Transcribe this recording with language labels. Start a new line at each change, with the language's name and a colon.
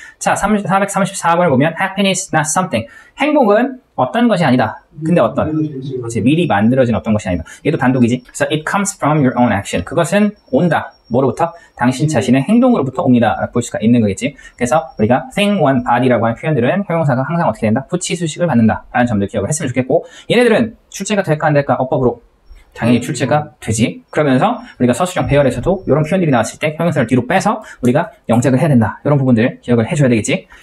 Korean: 자, 434번을 보면
English: happiness is not something,
Korean: 행복은 어떤 것이 아니다. 근데 어떤? 그치, 미리 만들어진 어떤 것이 아니다. 얘도 단독이지.
English: So it comes from your own action,
Korean: 그것은 온다. 뭐로부터? 당신 자신의 행동으로부터 옵니다. 라고 볼 수가 있는 거겠지. 그래서 우리가 thing, one, body라고 하는 표현들은 형용사가 항상 어떻게 된다? 후치 수식을 받는다 라는 점들 기억을 했으면 좋겠고, 얘네들은 출제가 될까 안 될까? 어법으로 당연히 출제가 되지. 그러면서 우리가 서술형 배열에서도 이런 표현들이 나왔을 때 형용사를 뒤로 빼서 우리가 영작을 해야 된다, 이런 부분들 기억을 해줘야 되겠지.